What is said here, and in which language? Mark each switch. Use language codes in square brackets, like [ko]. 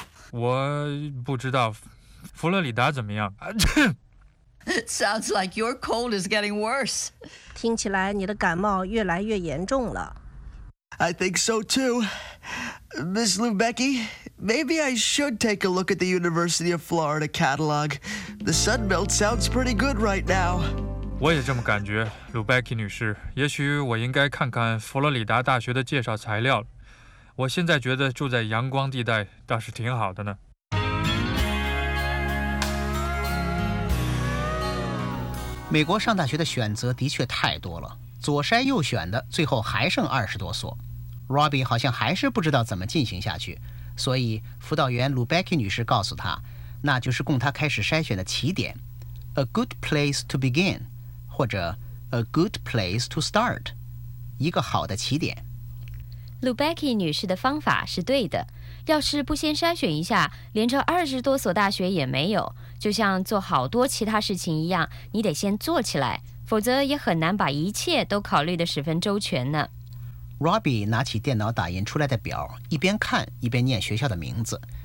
[zh] 我不知道佛罗里达怎么样。 [en] Sounds like your cold is getting worse. [zh] 听起来你的感冒越来越严重了。 [en] I think so too. Miss Lubecki, maybe I should take a look at the University of Florida catalog. The Sun Belt sounds pretty good right now. [zh] 我也这么感觉 ,Lubecki 女士。也许我应该看看佛罗里达大学的介绍材料。我现在觉得住在阳光地带倒是挺好的呢。美国上大学的选择的确太多了。左筛右选的最后还剩20多所。 Robbie 好像还是不知道怎么进行下去，所以辅导员 Lubecki 女士告诉他，那就是供他开始筛选的起点。 [en] A good place to begin, 或者 a good place to start, [zh] 一个好的起点。 Lubecki 女士的方法是对的，要是不先筛选一下，连这20多所大学也没有，就像做好多其他事情一样，你得先做起来。否则也很难把一切都考虑得十分周全呢。 Robbie 拿起电脑打印出来的表，一边看一边念学校的名字。